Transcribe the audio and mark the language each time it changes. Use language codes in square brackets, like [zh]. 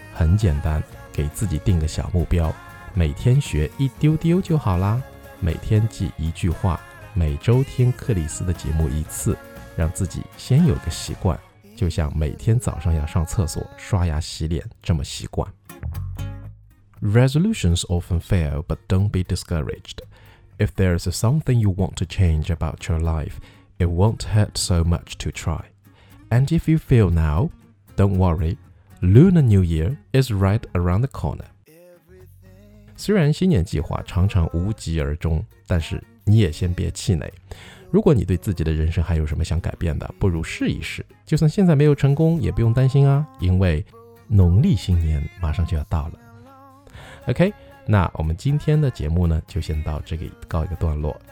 [zh] 很简单，给自己定个小目标，每天学一丢丢就好啦。每天记一句话，每周听克里斯的节目一次，让自己先有个习惯，就像每天早上要上厕所刷牙洗脸这么习惯。 [en] Resolutions often fail, but don't be discouraged. If there's something you want to change about your life, it won't hurt so much to try. And if you fail now, don't worry. Lunar New Year is right around the corner. [zh] 虽然新年计划常常无疾而终，但是你也先别气馁。如果你对自己的人生还有什么想改变的，不如试一试，就算现在没有成功也不用担心啊，因为农历新年马上就要到了。 OK， 那我们今天的节目呢就先到这里告一个段落。